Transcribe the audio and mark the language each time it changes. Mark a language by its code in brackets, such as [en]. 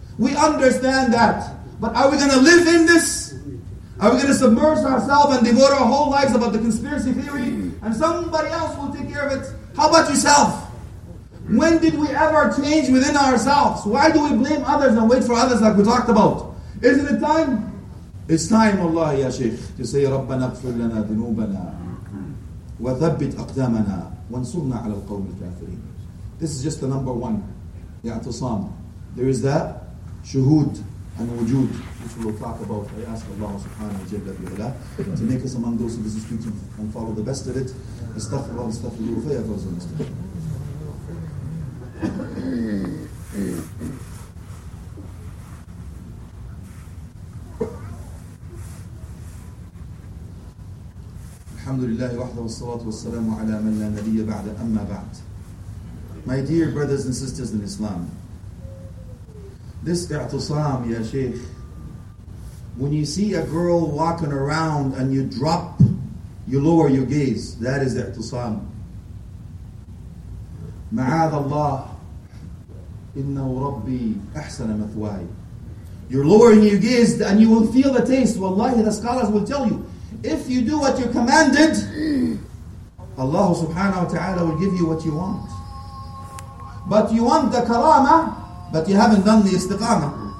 [en] We understand that. But are we going to live in this? Are we going to submerge ourselves and devote our whole lives about the conspiracy theory? And somebody else will take care of it. How about yourself? When did we ever change within ourselves? Why do we blame others and wait for others like we talked about? Isn't it time? It's time, Allah, Ya Shaykh, to say, [ar] رَبَّنَا اغْفِرْ لَنَا ذُنُوبَنَا وَثَبِّتْ أَقْدَامَنَا وَانْصُرْنَا عَلَى الْقَوْمِ الْكَافِرِينَ. [en] This is just the number one, the اعتصام. There is that shuhud and wujud, which we will talk about. I ask Allah subhanahu wa ta'ala to make us among those who visit you and follow the best of it. [ar] أستغفر الله أستغفر الله فيا فوز المستغفر. الحمد لله وحده والصلاة والسلام على من لا نبي بعد أما بعد. [en] My dear brothers and sisters in Islam, this اعتصام [ar] يا شيخ, [en] when you see a girl walking around and you drop, you lower your gaze, that is اعتصام. [ar] معاذ الله إنه ربي أحسن مثواي. [en] You're lowering your gaze and you will feel the taste. Wallahi, the scholars will tell you, if you do what you're commanded, Allah subhanahu wa ta'ala will give you what you want. But you want the karama, but you haven't done the istiqamah.